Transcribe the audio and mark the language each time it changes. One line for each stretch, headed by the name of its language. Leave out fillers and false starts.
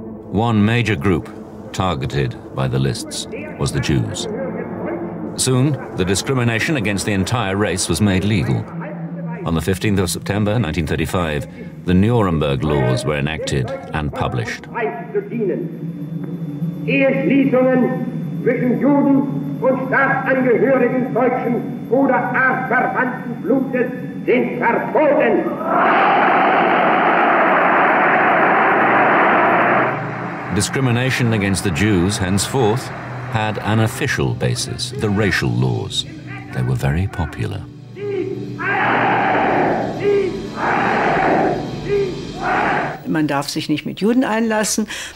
English: One major group targeted by the lists was the Jews. Soon, the discrimination against the entire race was made legal. On the 15th of September 1935, the Nuremberg Laws were enacted and published.
German: Eheschließungen zwischen Juden und Staatsangehörigen deutschen oder artverwandten Blutes sind verboten.
English: Discrimination against the Jews, henceforth, had an official basis, the racial laws. They were very popular.
German: Man darf sich nicht mit Juden einlassen.